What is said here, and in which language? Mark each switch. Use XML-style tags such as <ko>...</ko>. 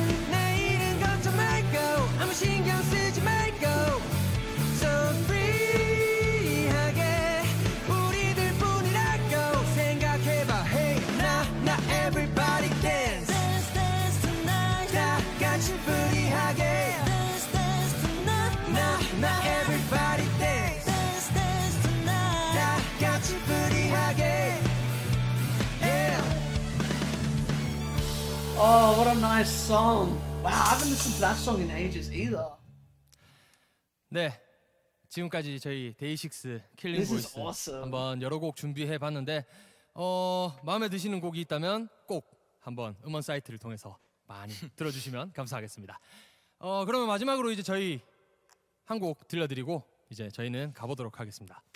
<ko>내일은 걱정 말고 아무 신경 쓰지 말고</ko> <en>So free.</en> <ko>우리들 뿐이라고 생각해봐</ko> <en>Hey, 나, 나 everybody dance Dance, dance tonight</en> <ko>다 같이 free하게</ko> <en>Dance, dance tonight 나, 나 everybody dance Dance, dance tonight 다 같이 free하게 Oh, what a nice song. Wow, I haven't listened to that song in ages either.</en> <ko>네, 지금까지 저희 데이식스 킬링 보이스</ko> <en>awesome.</en> <ko>한번 여러 곡 준비해봤는데 마음에 드시는 곡이 있다면 꼭 한번 음원 사이트를 통해서 많이 들어주시면 감사하겠습니다. 그러면 마지막으로 이제 저희 한 곡 들려드리고 이제 저희는 가보도록 하겠습니다.</ko>